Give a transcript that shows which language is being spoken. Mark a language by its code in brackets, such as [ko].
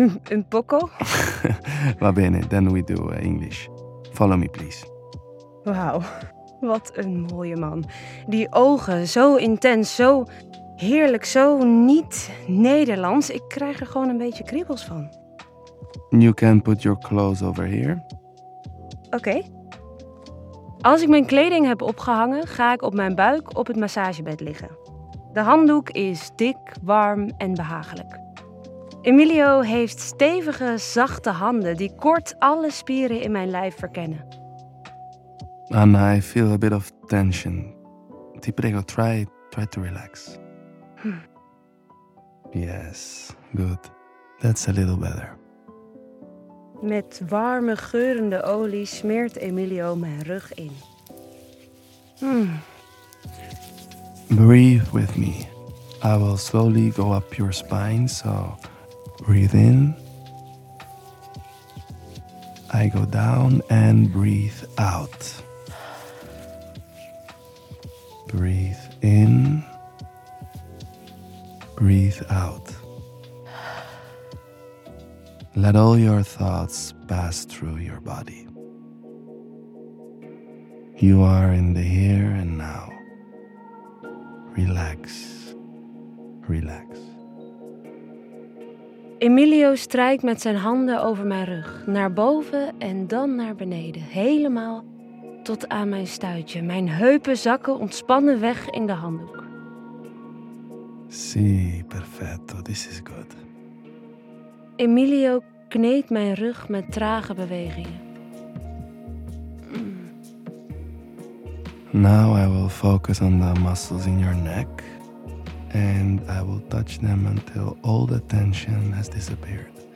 [it] Un poco. Va bene, [en] then we do English. Follow me, please. [nl] Wauw, wat een mooie man. Die ogen, zo intens, zo heerlijk, zo niet Nederlands. Ik krijg er gewoon een beetje kriebels van. [en] You can put your clothes over here. [nl] Oké. Als ik mijn kleding heb opgehangen, ga ik op mijn buik op het massagebed liggen. De handdoek is dik, warm en behagelijk. Emilio heeft stevige, zachte handen die kort alle spieren in mijn lijf verkennen. [en] Anna, I feel a bit of tension. [it] Ti prego, [en] try to relax. Yes, good. That's a little better. [nl] Met warme, geurende olie smeert Emilio mijn rug in. [en] Breathe with me. I will slowly go up your spine, so breathe in. I go down and breathe out. Breathe in. Breathe out. Let all your thoughts pass through your body. You are in the here and now. Relax. Relax. [nl] Emilio strijkt met zijn handen over mijn rug, naar boven en dan naar beneden, helemaal tot aan mijn stuitje. Mijn heupen zakken ontspannen weg in de handdoek. [it] Sì, perfetto, [en] this is good. [nl] Emilio kneedt mijn rug met trage bewegingen. [en] Now I will focus on the muscles in your neck. And I will touch them until all the tension has disappeared.